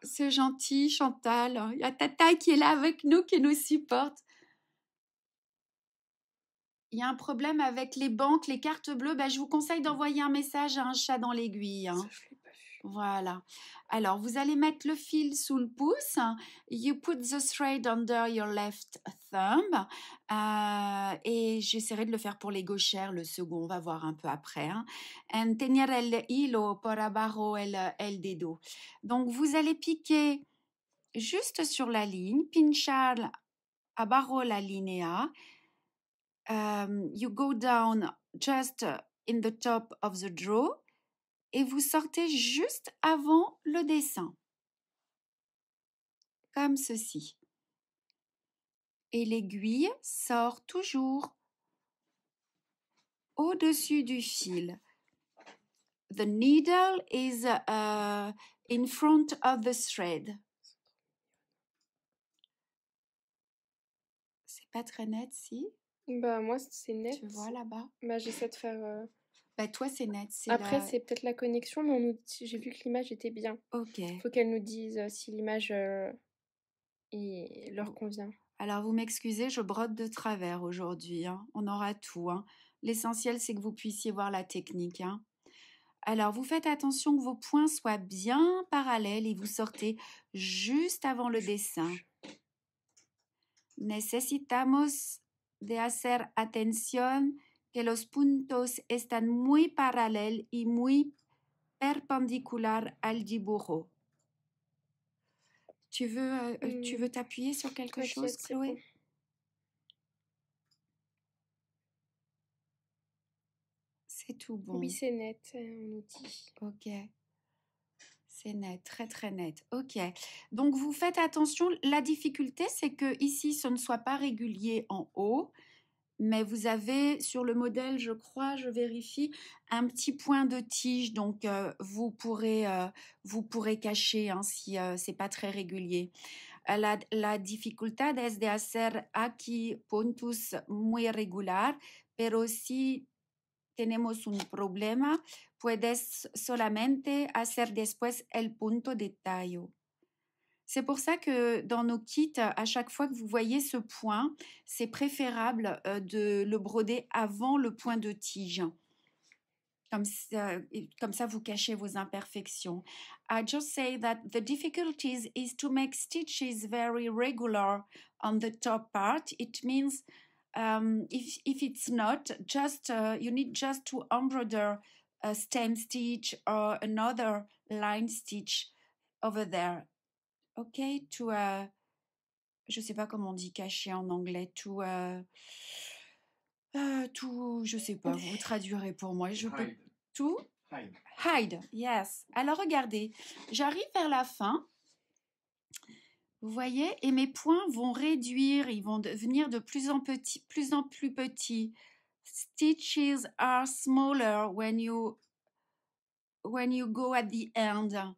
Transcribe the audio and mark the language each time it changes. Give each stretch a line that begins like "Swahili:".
French: C'est gentil, Chantal. Il y a Tata qui est là avec nous, qui nous supporte. Il y a un problème avec les banques, les cartes bleues. Ben, je vous conseille d'envoyer un message à un chat dans l'aiguille. Hein. Ça, je l'ai pas vu. Voilà. Alors, vous allez mettre le fil sous le pouce.
English: You put the thread under your left thumb.
French: Et j'essaierai de le faire pour les gauchères, le second, on va voir un peu après. Hein.
Spanish: And tener el hilo por abajo el dedo.
French: Donc, vous allez piquer juste sur la ligne.
Spanish: Pinchar abajo la linea.
English: You go down just in the top of the draw
French: et vous sortez juste avant le dessin, comme ceci. Et l'aiguille sort toujours au-dessus du fil.
English: The needle is in front of the thread.
French: C'est pas très net, si? Bah, moi, c'est net. Tu vois là-bas? Bah, j'essaie de faire... Bah, toi, c'est net. C'est après, la... c'est peut-être la connexion, mais on nous... j'ai vu que l'image était bien. Ok. Faut qu'elle nous dise si l'image leur convient. Alors, vous m'excusez, je brode de travers aujourd'hui. Hein. On aura tout. Hein. L'essentiel, c'est que vous puissiez voir la technique. Hein. Alors, vous faites attention que vos points soient bien parallèles et vous sortez juste avant le dessin.
Spanish: Necesitamos... de hacer atención que los puntos están muy paralelos y muy perpendicular al dibujo.
French: Tu veux t'appuyer sur quelque chose, Chloé? C'est tout bon. Oui, c'est net, on nous dit. Ok. C'est net, très très net. Ok. Donc, vous faites attention. La difficulté, c'est que ici, ce ne soit pas régulier en haut. Mais vous avez sur le modèle, je crois, je vérifie, un petit point de tige. Donc, vous pourrez cacher hein, si ce n'est pas très régulier.
Spanish: La dificultad es de hacer aquí puntos muy regular. Pero si tenemos un problema, puedes solamente hacer después el punto de tallo.
French: C'est pour ça que dans nos kits, à chaque fois que vous voyez ce point, c'est préférable de le broder avant le point de tige. Comme ça, vous cachez vos imperfections.
English: I just say that the difficulty is to make stitches very regular on the top part. It means if it's not, just you need just to embroider a stem stitch or another line stitch over there.
French: Ok, to, je ne sais pas comment on dit cacher en anglais, je ne sais pas, vous traduirez pour moi. Je
English: hide.
French: Peux, tout
English: hide. Hide, yes.
French: Alors regardez, j'arrive vers la fin, vous voyez, et mes points vont réduire, ils vont devenir de plus en petits, plus en plus petits.
English: Stitches are smaller when you go at the end.